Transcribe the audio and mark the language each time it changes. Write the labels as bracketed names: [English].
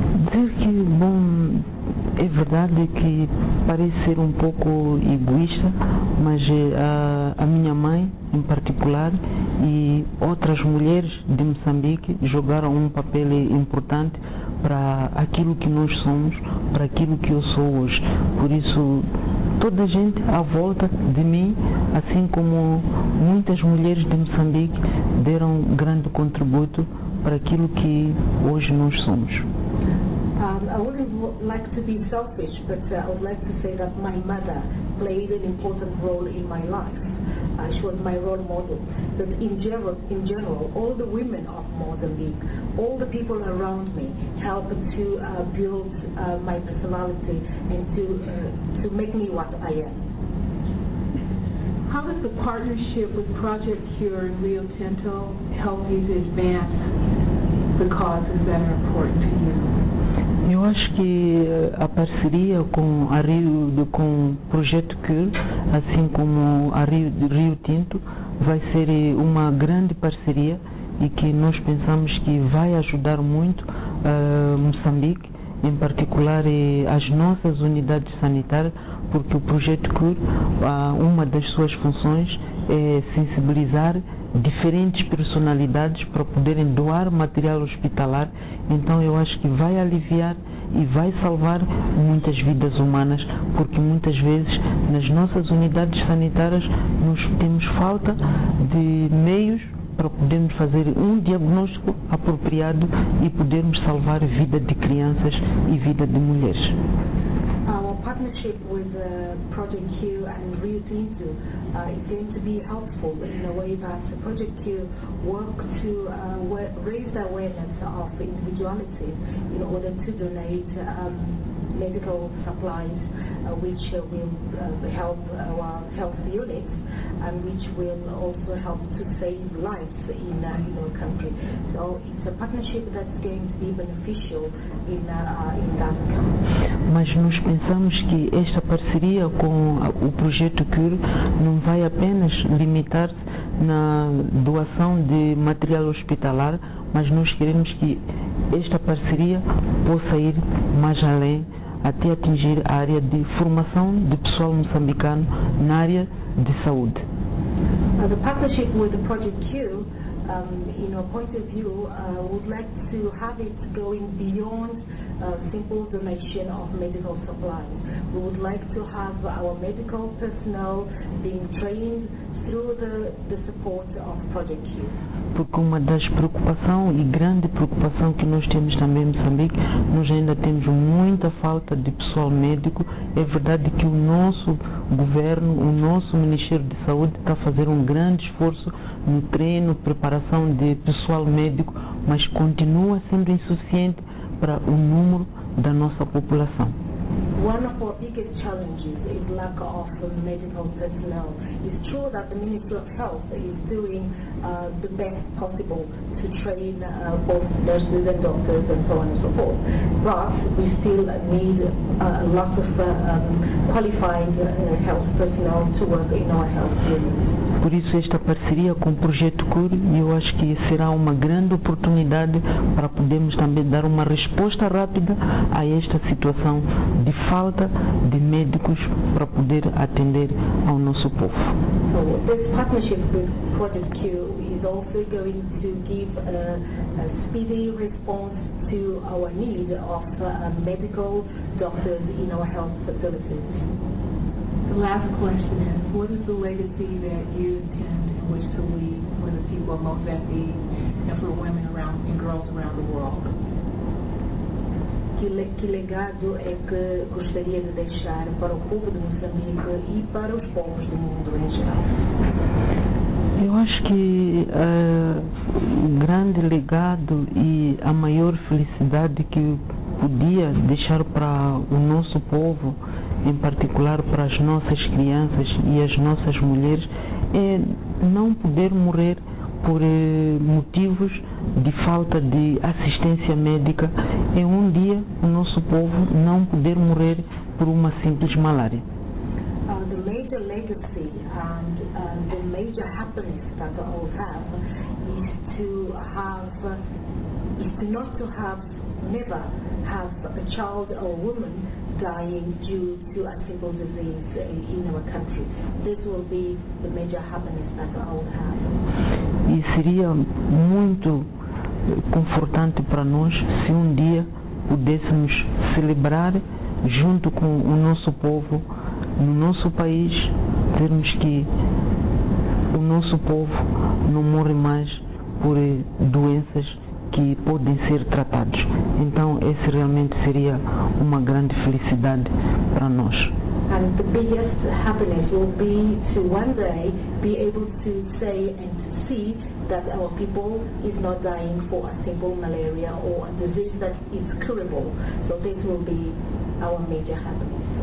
[Portuguese] Dizer que, bom, é verdade que parece ser um pouco egoísta, mas a minha mãe, em particular, e outras mulheres de Moçambique jogaram um papel importante para aquilo que nós somos, para aquilo que eu sou hoje. Por isso, toda a gente à volta de mim, assim como muitas mulheres de Moçambique, deram grande contributo para aquilo que hoje nós somos. [English] I wouldn't like to be selfish, but I would like to say that my mother played an important role in my life. She was my role model. But in general, all the women of Mozambique, all the people around me, helped to build my personality and to make me what I am. How does the partnership with Project Cure and Rio Tinto help you to advance the causes that are important to you? [Portuguese] Eu acho que a parceria com a Rio, com o Projeto Cure, assim como a Rio Tinto, vai ser uma grande parceria e que nós pensamos que vai ajudar muito Moçambique, em particular as nossas unidades sanitárias, porque o Projeto Cure, uma das suas funções é sensibilizar diferentes personalidades para poderem doar material hospitalar. Então eu acho que vai aliviar e vai salvar muitas vidas humanas, porque muitas vezes nas nossas unidades sanitárias nós temos falta de meios para podermos fazer um diagnóstico apropriado e podermos salvar a vida de crianças e vida de mulheres. [English] Our partnership with Project Q and Rio Tinto is going to be helpful in a way that Project Q works to raise the awareness of individuality in order to donate medical supplies which will help our health unit, and which will also help to save lives in your country. So it's a partnership that's going to be beneficial in that country. [Portuguese] Mas nós pensamos que esta parceria com o projeto Cure não vai apenas limitar-se na doação de material hospitalar, mas nós queremos que esta parceria possa ir mais além, até atingir a área de formação de pessoal moçambicano na área de saúde. [English] The partnership with the Project Cure, in our point of view, would like to have it going beyond simple donation of medical supplies. We would like to have our medical personnel being trained through the support of Project Cure. [Portuguese] Porque uma das preocupações e grande preocupação que nós temos também em Moçambique, nós ainda temos muita falta de pessoal médico. É verdade que o nosso governo, o nosso Ministério de Saúde está a fazer um grande esforço no treino, preparação de pessoal médico, mas continua sendo insuficiente para o número da nossa população. [English] One of our biggest challenges is lack of medical personnel. It's true that the Ministry of Health is doing the best possible to train both nurses and doctors and so on and so forth. But we still need lots of qualified health personnel to work in our health units. [Portuguese] Por isso esta parceria com o Projeto Cure, eu acho que será uma grande oportunidade para podermos também dar uma resposta rápida a esta situação de falta de médicos para poder atender ao nosso povo. [English] So, this partnership with Project Cure is also going to give a speedy response to our need of medical doctors in our health facilities. The last question is, what is the legacy that you intend and wish to leave for the people of Mozambique and for women around and girls around the world? [Portuguese] Que legado é que gostaria de deixar para o povo de Moçambique e para os povos do mundo em geral? Eu acho que o grande legado e a maior felicidade que podia deixar para o nosso povo, em particular para as nossas crianças e as nossas mulheres, é não poder morrer por motivos de falta de assistência médica, e um dia o nosso povo não poder morrer por uma simples malária. [English] The major legacy and the major happiness that all have is to never have a child or woman dying due to a simple disease in our country. This will be the major happiness that all have. [Portuguese] E seria muito confortante para nós se um dia pudéssemos celebrar junto com o nosso povo, no nosso país, termos que o nosso povo não morre mais por doenças que podem ser tratadas. Então, esse realmente seria uma grande felicidade para nós. [English] And the biggest happiness will be to one day be able to say and to see that our people is not dying for a simple malaria or a disease that is curable. So this will be our major happiness.